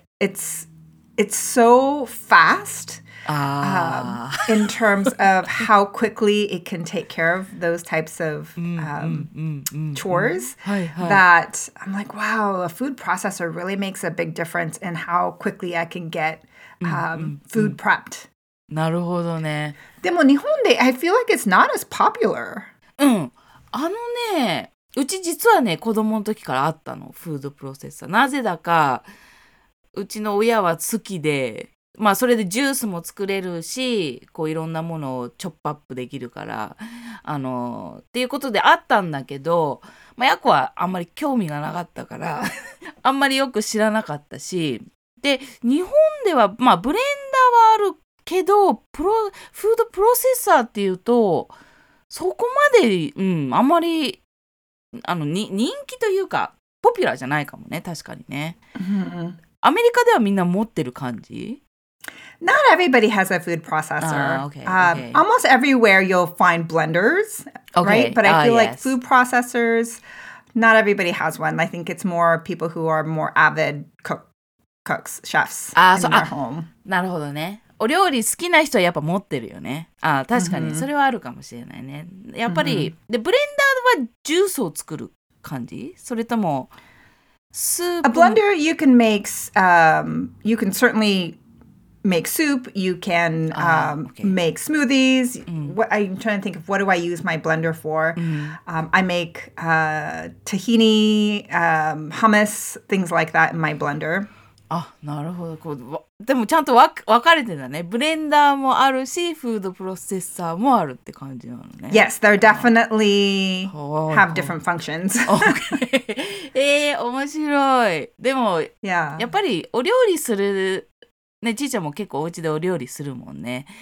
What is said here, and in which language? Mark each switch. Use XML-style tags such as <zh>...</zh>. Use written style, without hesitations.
<en>But it's so fast in terms of how quickly it can take care of those types of chores. That I'm like, wow, a food processor really makes a big difference in how quickly I can get food prepped.</en> <ja>なるほどね。でも日本で</ja> <en>I feel like it's not as popular.</en> <ja>うん。あのね、うち実はね、子供の時からあったの、フードプロセッサー。なぜだか、うちの親は好きで、まあそれでジュースも作れるし、こういろんなものをチョップアップできるから、っていうことであったんだけど、まあヤコはあんまり興味がなかったから、あんまりよく知らなかったし、で、日本では、まあブレンダーはあるけどフードプロセッサーっていうとそこまで、うん、あんまりあのに人気というかポピュラーじゃないかもね。確かにね。アメリカではみんな持ってる感じ？</ja> <en>Not everybody has a food processor. Okay. Almost everywhere you'll find blenders, right? Okay. But I feel like、 yes. food processors, not everybody has one. I think it's more people who are more avid cooks, chefs in their home.</en> <ja>なるほどね。お料理好きな人はやっぱ持ってるよね。あ、確かにそれはあるかもしれないね。やっぱり、で、ブレンダーはジュースを作る感じ？それともスープ？</ja> <en>A blender, you can make, you can certainly make soup, you can make smoothies. I'm trying to think of what do I use my blender for. I make tahini, hummus, things like that in my blender.</en> <ja>あ、なるほど。こうでもちゃんと分かれてるんだね。ブレンダーもあるし、フードプロセッサーもあるって感じなのね。</ja> <en>Yes, they're definitely have different functions.</en> <ja>Okay. 面白い。でも、</ja> <en>yeah.</en> <ja>やっぱりお料理する、ね、ちーちゃんも結構お家でお料理するもんね。</ja>